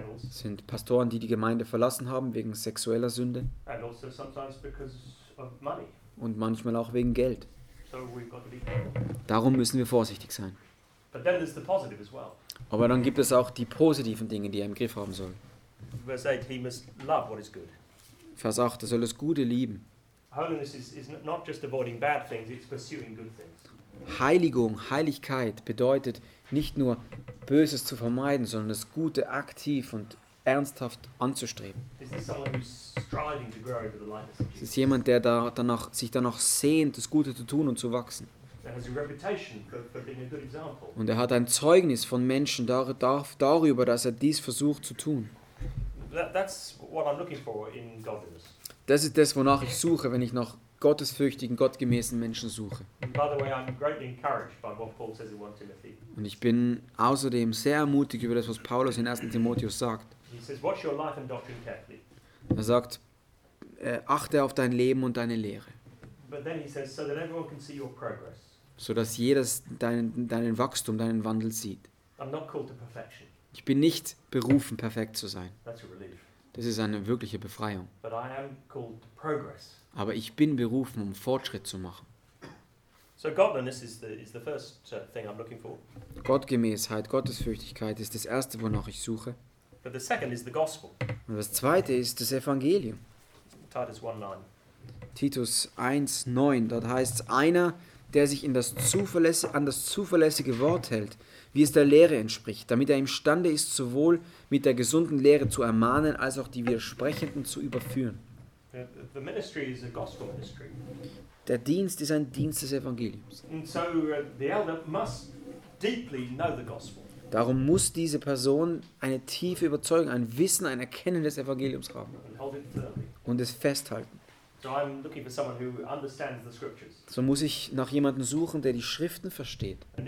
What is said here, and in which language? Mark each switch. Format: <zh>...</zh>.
<de>Sind Pastoren, die Gemeinde verlassen haben wegen sexueller Sünde.</de> <en>And also sometimes because of money.</en> <de>Und manchmal auch wegen Geld.</de> <en>So we've got to be careful.</en> <de>Darum müssen wir vorsichtig sein.</de> <en>But then there's the positive as well.</en> <de>Aber dann gibt es auch die positiven Dinge, die er im Griff haben soll.</de> <en>Verse 8, he must love what is good.</en> <de>Vers 8, er soll das Gute lieben.</de> <en>Holiness is not just avoiding bad things, it's pursuing good things.</en> <de>Heiligung, Heiligkeit bedeutet nicht nur Böses zu vermeiden, sondern das Gute aktiv und ernsthaft anzustreben.</de> <en>This is someone who's striving to grow into the likeness of Jesus.</en> <de>Es ist jemand, der sich danach sehnt, das Gute zu tun und zu wachsen.</de> <en>And has a reputation for being a good example.</en> <de>Und er hat ein Zeugnis von Menschen darüber, dass er dies versucht zu tun.</de> <en>That's what I'm looking for in godliness.</en> <de>Das ist das, wonach ich suche, wenn ich nach gottesfürchtigen, gottgemäßen Menschen suche.</de> <en>By the way, I'm greatly encouraged by what Paul says in 1 Timothy.</en> <de>Und ich bin außerdem sehr ermutigt über das, was Paulus in 1. Timotheus sagt.</de> <en>He says, watch your life and doctrine carefully.</en> <de>Er sagt, achte auf dein Leben und deine Lehre.</de> <en>But then he says, so that everyone can see your progress.</en> <de>So dass jeder deinen Wachstum, deinen Wandel sieht.</de> <en>I'm not called to perfection.</en> <de>Ich bin nicht berufen, perfekt zu sein.</de> <en>That's a relief.</en> <de>Das ist eine wirkliche Befreiung.</de> <en>But I am called to progress.</en> <de>Aber ich bin berufen, um Fortschritt zu machen.</de> <en>So godliness is the first thing I'm looking for.</en> <de>Gottgemäßheit, Gottesfürchtigkeit ist das Erste, wonach ich suche.</de> <en>But the second is the gospel.</en> <de>Und das Zweite ist das Evangelium.</de> <en>Titus 1,9.</en> <de>Titus 1,9, dort heißt es, einer, der sich in das an das zuverlässige Wort hält, wie es der Lehre entspricht, damit er imstande ist, sowohl mit der gesunden Lehre zu ermahnen, als auch die Widersprechenden zu überführen.</de> <en>The ministry is a gospel ministry.</en> <de>Der Dienst ist ein Dienst des Evangeliums.</de> <en>And so, the elder must deeply know the gospel.</en> <de>Darum muss diese Person eine tiefe Überzeugung, ein Wissen, ein Erkennen des Evangeliums haben und es festhalten.</de> <en>So, I'm looking for someone who understands the scriptures.</en> <de>So muss ich nach jemandem suchen, der die Schriften versteht.</de>